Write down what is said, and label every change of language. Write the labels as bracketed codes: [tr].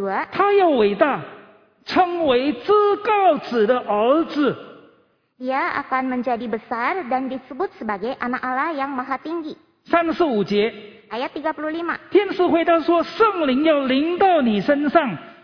[zh] 他要伟大, 称为至高子的儿子. [id] Dia akan menjadi besar dan disebut sebagai anak Allah yang maha tinggi. [zh] 35节. [id] Ayat 35. [zh] 天使回答说, 圣灵要临到你身上.